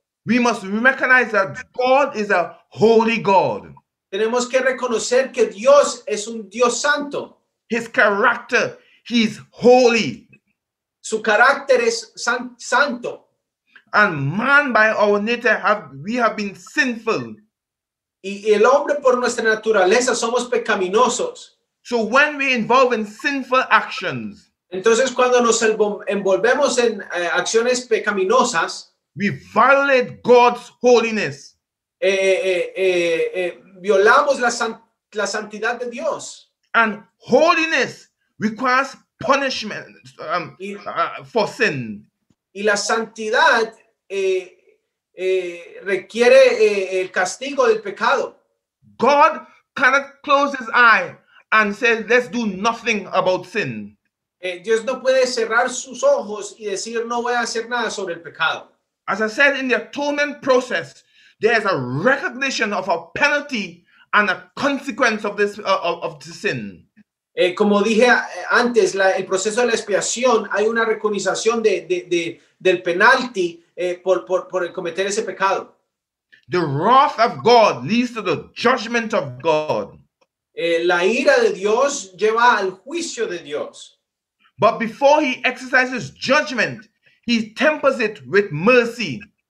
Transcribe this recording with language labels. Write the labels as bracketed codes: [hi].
[en] We must recognize that God is a holy God. [es] Tenemos que reconocer que Dios es un Dios santo. [en] His character, he's holy. [es] Su carácter es santo. [en] And man by our nature, we have been sinful. [es] Y el hombre por nuestra naturaleza somos pecaminosos. [en] So when we involve in sinful actions, [es] entonces cuando nos envolvemos en acciones pecaminosas, [en] we violate God's holiness. [es] Violamos la santidad de Dios. [en] And holiness requires punishment for sin. [es] Y la santidad requiere el castigo del pecado. [en] God cannot close his eye and say, let's do nothing about sin. [es] Dios no puede cerrar sus ojos y decir, no voy a hacer nada sobre el pecado. [en] As I said, in the atonement process, there is a recognition of a penalty and a consequence of this of the sin. [es] Como dije antes, el proceso de la expiación hay una reconciliación del penalti por el cometer ese pecado. [en] The wrath of God leads to the judgment of God. [es] La ira de Dios lleva al juicio de Dios. [en] But before he exercises judgment, he tempers it with mercy.